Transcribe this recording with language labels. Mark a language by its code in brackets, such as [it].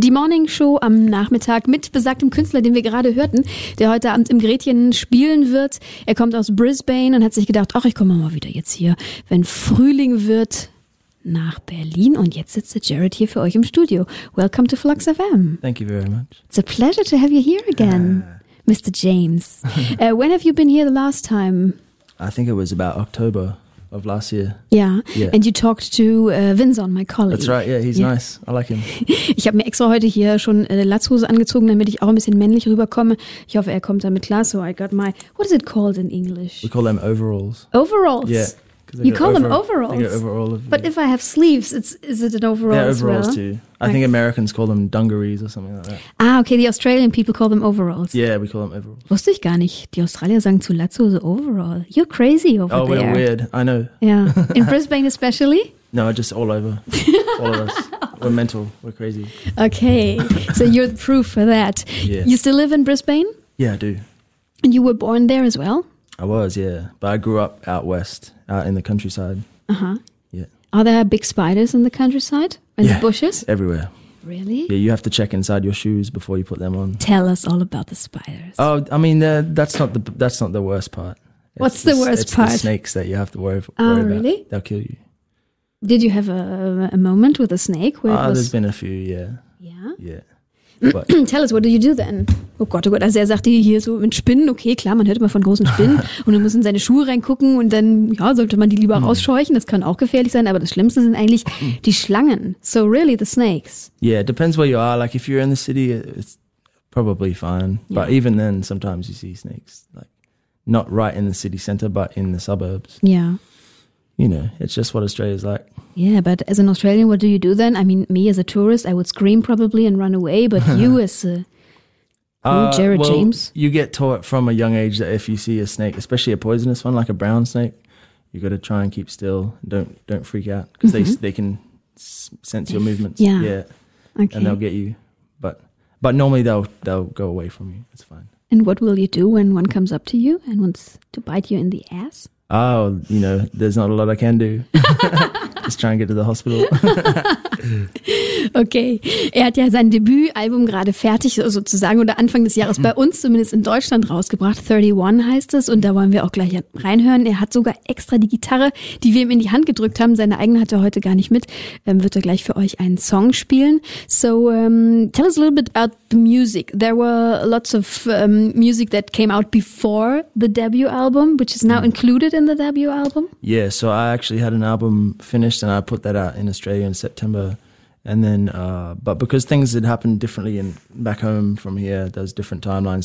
[de] Die Morning Show am Nachmittag mit besagtem Künstler, den wir gerade hörten, der heute Abend im Gretchen spielen wird. Er kommt aus Brisbane und hat sich gedacht, ach, ich komme mal wieder jetzt hier, wenn Frühling wird, nach Berlin. Und jetzt sitzt Jared hier für euch im Studio. [en] Welcome to Flux FM. Thank you very much. It's a pleasure to have you here again, Mr. James. When have you been here the last time? I think it was about October of last year. Yeah. And you talked to Vinson, my colleague. That's right, yeah, he's nice. I like him. [de] Ich habe mir extra heute hier schon eine Latzhose angezogen, damit ich auch ein bisschen männlich rüberkomme. Ich hoffe, er kommt damit klar. [en] So I got my, what is it called in English? We call them overalls. Overalls? Yeah. You call them overalls? They get overall of, but if I have sleeves, is it an overall as well? They're overalls too. I think Americans call them dungarees or something like that. Ah, okay, the Australian people call them overalls. Yeah, we call them overalls. [de] Wusste ich gar nicht. Die Australier sagen zu Latzhose overall. [en] You're crazy over there. Oh, we're weird. I know. Yeah. In Brisbane especially? No, just all over. All of us. We're mental. We're crazy. Okay. So you're the proof for that. Yeah. You still live in Brisbane? Yeah, I do. And you were born there as well? I was, yeah. But I grew up out west, out in the countryside. Uh-huh. Yeah. Are there big spiders in the countryside? In the bushes? Everywhere. Really? Yeah, you have to check inside your shoes before you put them on. Tell us all about the spiders. Oh, I mean, that's not the worst part. What's the worst part? It's the snakes that you have to worry about. Oh, really? They'll kill you. Did you have a moment with a snake? There's been a few, yeah. Yeah? Yeah. But tell us, what do you do then? [de] Oh Gott, also er sagt hier so mit Spinnen, okay, klar, man hört immer von großen Spinnen und man muss in seine Schuhe reingucken und dann, ja, sollte man die lieber rausscheuchen, das kann auch gefährlich sein, aber das Schlimmste sind eigentlich die Schlangen. [en] So really, the snakes. Yeah, it depends where you are, like if you're in the city, it's probably fine, but even then, sometimes you see snakes, like not right in the city center, but in the suburbs. Yeah. You know, it's just what Australia's like. Yeah, but as an Australian, what do you do then? I mean, me as a tourist, I would scream probably and run away, but you as Jared James? You get taught from a young age that if you see a snake, especially a poisonous one like a brown snake, you got to try and keep still. Don't freak out because they can sense your movements. Yeah. Okay. And they'll get you. But normally they'll go away from you. It's fine. And what will you do when one comes up to you and wants to bite you in the ass? Oh, you know, there's not a lot I can do. Just try and get to the hospital. [de] Okay, er hat ja sein Debütalbum gerade fertig sozusagen oder Anfang des Jahres bei uns zumindest in Deutschland rausgebracht. 31 heißt es und da wollen wir auch gleich reinhören. Er hat sogar extra die Gitarre, die wir ihm in die Hand gedrückt haben. Seine eigene hat er heute gar nicht mit. Wird er gleich für euch einen Song spielen. [en] So, tell us a little bit about the music. There were lots of music that came out before the debut album, which is now included in the debut album. Yeah, so I actually had an album finished and I put that out in Australia in September. And then, but because things had happened differently in back home from here, there's different timelines.